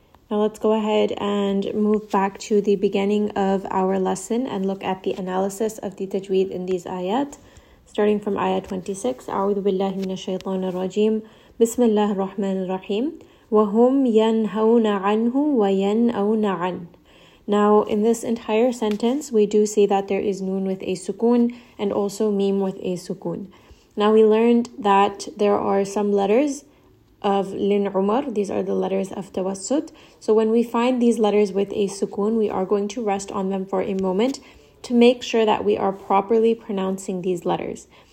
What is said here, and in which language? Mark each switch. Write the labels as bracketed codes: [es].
[en] Now let's go ahead and move back to the beginning of our lesson and look at the analysis of the tajweed in these ayat. Starting from ayah 26, [ar] أَعُوذُ بِاللَّهِ مِنَ الشَّيْطَانِ الرَّجِيمِ بِسْمِ اللَّهِ الرَّحْمَنِ الرَّحِيمِ وَهُمْ يَنْهَوْنَ عَنْهُ وَيَنْأَوْنَ عَنْهُ. [en] Now, in this entire sentence, we do see that there is noon with a sukun and also meem with a sukun. Now, we learned that there are some letters of Lin Umar. These are the letters of Tawassut. So when we find these letters with a sukun, we are going to rest on them for a moment to make sure that we are properly pronouncing these letters.